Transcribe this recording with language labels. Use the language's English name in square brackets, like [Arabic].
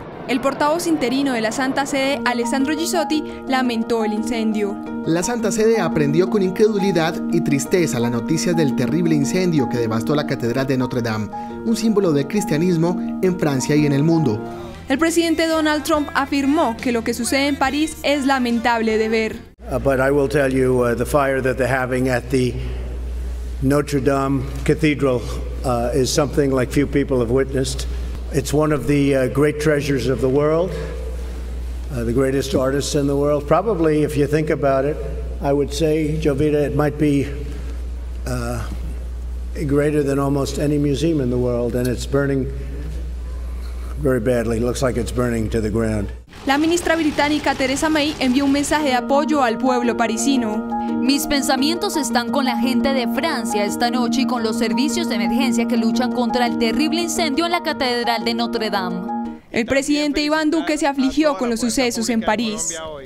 [Spanish] El portavoz interino de la Santa Sede, Alessandro Gisotti, lamentó el incendio. La Santa Sede aprendió con incredulidad y tristeza la noticia del terrible incendio que devastó la Catedral de Notre Dame, un símbolo del cristianismo en Francia y en el mundo. El presidente Donald Trump afirmó que lo que sucede en París es lamentable de ver. [English] But I will tell you the fire that they're having at the Notre Dame Cathedral is something like few people have witnessed. It's one of the great treasures of the world, the greatest artists in the world. Probably, if you think about it, I would say, Jovita, it might be greater than almost any museum in the world, and it's burning very badly. It looks like it's burning to the ground. [Spanish] La ministra británica Theresa May envió un mensaje de apoyo al pueblo parisino. Mis pensamientos están con la gente de Francia esta noche y con los servicios de emergencia que luchan contra el terrible incendio en la Catedral de Notre Dame. El presidente Iván Duque se afligió con los sucesos en París.